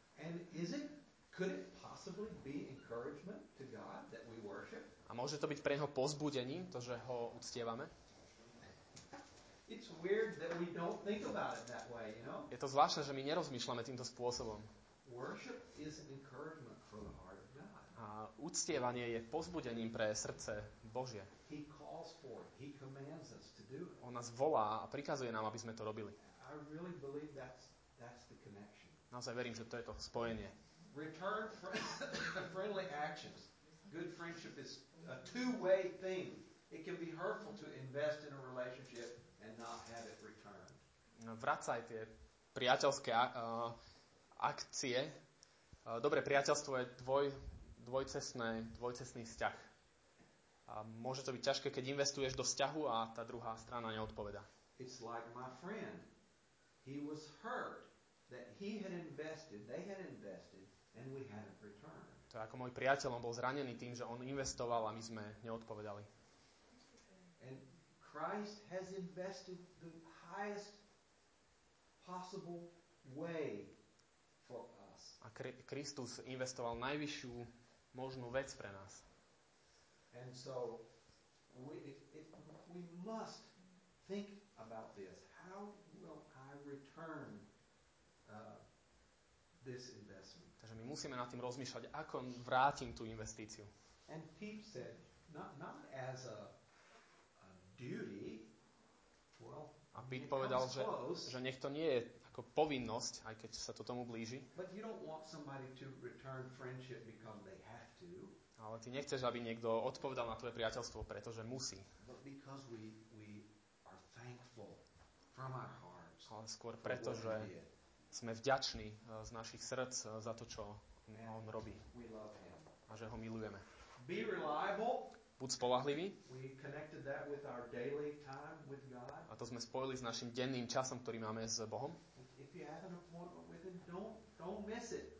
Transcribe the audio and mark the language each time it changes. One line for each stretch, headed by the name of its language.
English: And is it, could it possibly be encouragement to God that we worship?
Slovak: A môže to byť pre neho povzbudením, to, že ho uctievame?
English: It's weird that we don't think about it that way, you know?
Slovak: Je to zvláštne, že my nerozmýšľame týmto spôsobom.
English: Worship is encouragement for the heart of God.
Slovak: A uctievanie je povzbudením pre srdce Božie.
English: He calls for it. He commands us to do it.
Slovak: On nás volá a prikazuje nám, aby sme to robili.
English: I really believe that's the connection.
Slovak: Naozaj verím, že to je to spojenie.
English: Return friendly actions. Good friendship is a two-way thing. It can be hurtful to invest in a relationship and not have it returned.
Slovak: Vracaj tie priateľské akcie. Dobre, priateľstvo je dvojcestný vzťah. A môže to byť ťažké, keď investuješ do vzťahu a tá druhá strana neodpovedá.
English: It's like my friend. He was hurt that he had invested, they had invested, and we hadn't returned.
Slovak: To je ako môj priateľ, on bol zranený tým, že on investoval a my sme neodpovedali.
English: And Christ has invested the highest possible way for us.
Slovak: A Kristus investoval najvyššiu možnú vec pre nás.
English: And so we must think about this. How will I return this investment.
Slovak: Takže my musíme nad tým rozmýšľať, ako vrátim tú investíciu.
English: And Pete said, not as a duty. Well,
Slovak: a Pete povedal, že nech to nie je ako povinnosť, aj keď sa to tomu blíži.
English: But you don't want somebody to return friendship because they have to.
Slovak: Ale ty nechceš, aby niekto odpovedal na tvoje priateľstvo, pretože musí.
English: But because we are thankful from our hearts.
Slovak: Ale skôr preto, že sme vďační z našich srdc za to, čo on robí. A že ho milujeme.
English: Be reliable.
Slovak: Buď spoľahlivý.
English: We connected that with our daily time with God.
Slovak: A to sme spojili s našim denným časom, ktorý máme s Bohom.
English: If you have an appointment with him, don't miss it.